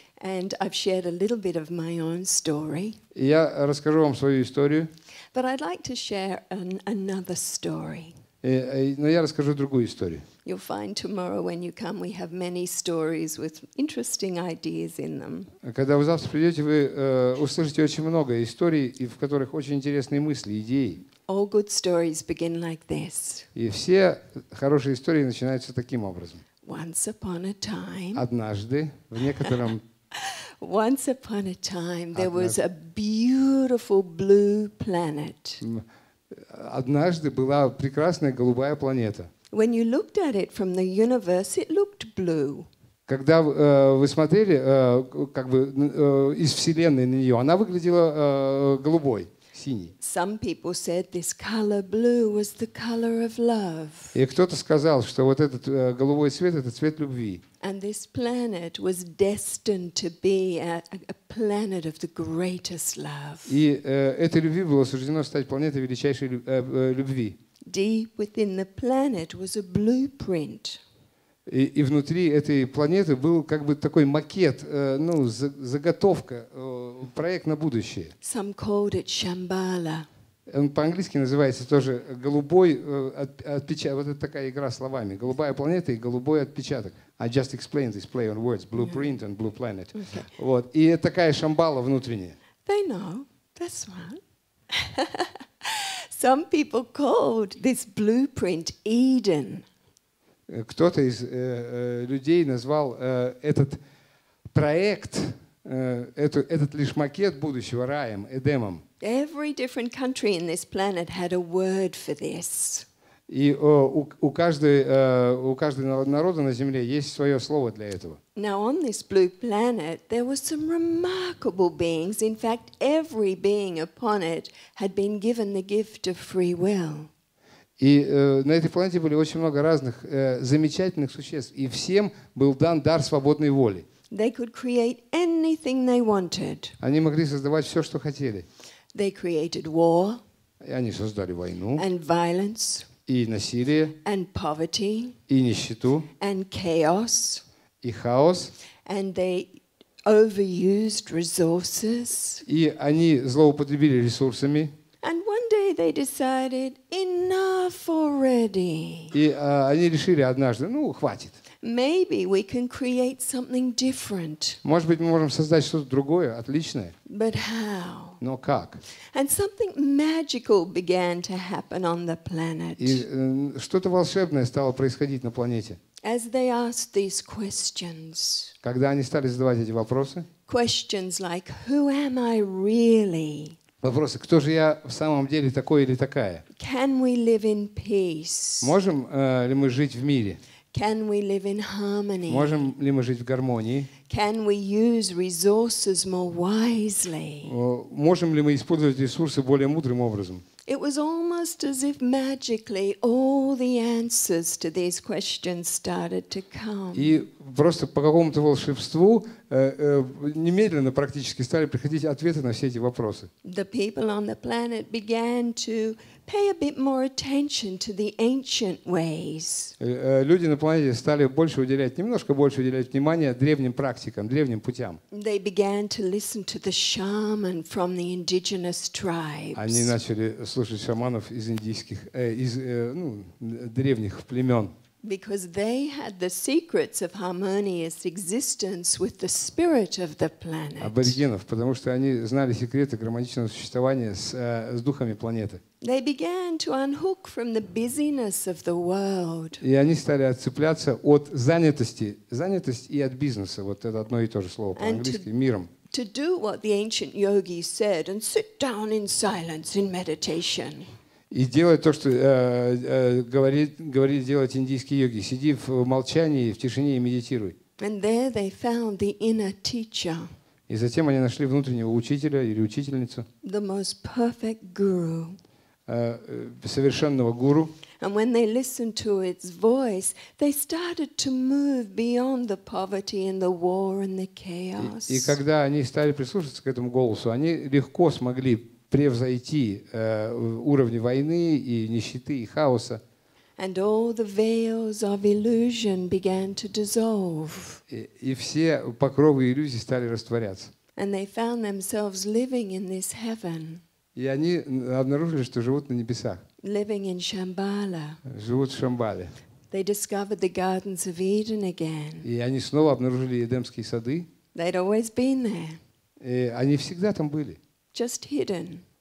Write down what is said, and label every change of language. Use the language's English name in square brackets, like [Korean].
[English] And I've shared a little bit of my own story. [Russian] Я расскажу вам свою историю. [English] But I'd like to share another story. [Russian] Но я расскажу другую историю. [English] You'll find tomorrow when you come, we have many stories with interesting ideas in them. [Russian] Когда вы завтра придете, вы услышите очень много историй, и в которых очень интересные мысли, идеи. [English] All good stories begin like this. [Russian] И все хорошие истории начинаются таким образом. [English] Once upon a time. [Russian] Однажды в некотором. [English] Once upon a time, there was a beautiful blue planet. [Russian] Однажды была прекрасная голубая планета. [English] When you looked at it from the universe, it looked blue. [Russian] Когда вы смотрели, как бы из вселенной на нее, она выглядела голубой. синий. [English] Some people said this color blue was the color of love. [Russian] И кто-то сказал, что вот этот голубой цвет — это цвет любви. [English] And this planet was destined to be a planet of the greatest love. [Russian] И этой любви было суждено стать планетой величайшей любви. [English] Deep within the planet was a blueprint. [Russian] И внутри этой планеты был как бы такой макет, ну, заготовка, проект на будущее. [English] Some called it Shambhala. [Russian] Он по-английски называется тоже голубой отпечаток. Вот это такая игра словами. Голубая планета и голубой отпечаток. [English] I just explained this play on words. Blueprint and blue planet. Okay. [Russian] Вот. И это такая Шамбала внутренняя. [English] They know. That's one. Some people called this blueprint Eden. [Russian] Кто-то из людей назвал этот проект, этот лишь макет будущего, раем, Эдемом. [English] Every different country in this planet had a word for this. [Russian] И у каждого народа на Земле есть свое слово для этого. [English] Now on this blue planet there were some remarkable beings. In fact, every being upon it had been given the gift of free will. [Russian] И на этой планете были очень много разных замечательных существ, и всем был дан дар свободной воли. [English] They could create anything they wanted. [Russian] Они могли создавать все, что хотели. [English] They created war. [Russian] И они создали войну. [English] And violence. [Russian] И насилие. [English] And poverty. [Russian] И нищету. [English] And chaos. [Russian] И хаос. [English] And they overused resources. [Russian] И они злоупотребили ресурсами. [English] And one day they decided, enough already. [Russian] И они решили однажды, ну, хватит. [English] Maybe we can create something different. [Russian] Может быть, мы можем создать что-то другое, отличное. [English] But how? [Russian] Но как? [English] And something magical began to happen on the planet. [Russian] И что-то волшебное стало происходить на планете. [English] As they asked these questions. [Russian] Когда они стали задавать эти вопросы? [English] Questions like, who am I really? [Russian] Вопросы: кто же я в самом деле такой или такая? [English] Can we live in peace? [Russian] Можем ли мы жить в мире? [English] Can we live in harmony? [Russian] Можем ли мы жить в гармонии? [English] Can we use resources more wisely? [Russian] Можем ли мы использовать ресурсы более мудрым образом? [English] It was almost as if magically all the answers to these questions started to come. [Russian] И просто по какому-то волшебству немедленно практически стали приходить ответы на все эти вопросы. [English] The people on the planet began to pay a bit more attention to the ancient ways. [Russian] Люди на планете стали больше уделять, немножко больше уделять внимания древним практикам, древним путям. [English] They began to listen to the shaman from the indigenous tribes. [Russian] Они начали слушать шаманов из индийских, ну, древних племен. [English] Because they had the secrets of harmonious existence with the spirit of the planet. [Russian] Аборигенов, потому что они знали секреты гармоничного существования с духами планеты. [English] They began to unhook from the busyness of the world. [Russian] И они стали отцепляться от занятости, занятость и от бизнеса. Вот это одно и то же слово по-английски, миром. [English] To do what the ancient yogis said and sit down in silence in meditation. [Russian] И делать то, что говорит делать индийские йоги. Сиди в молчании, в тишине и медитируй. [English] And there they found the inner teacher. [Russian] И затем они нашли внутреннего учителя или учительницу. [English] The most perfect guru. [Russian] Совершенного гуру. [English] And when they listened to its voice, they started to move beyond the poverty and the war and the chaos. [Russian] И когда они стали прислушиваться к этому голосу, они легко смогли превзойти уровни войны и нищеты и хаоса. [English] And all the veils of illusion began to dissolve. [Russian] И все покровы иллюзий стали растворяться. [English] And they found themselves living in this heaven. [Russian] И они обнаружили, что живут на небесах. [English] Living in Shambhala. [Russian] Живут в Шамбале. [English] They discovered the gardens of Eden again. [Russian] И они снова обнаружили Эдемские сады. [English] They'd always been there. [Russian] И они всегда там были. [English] Just hidden.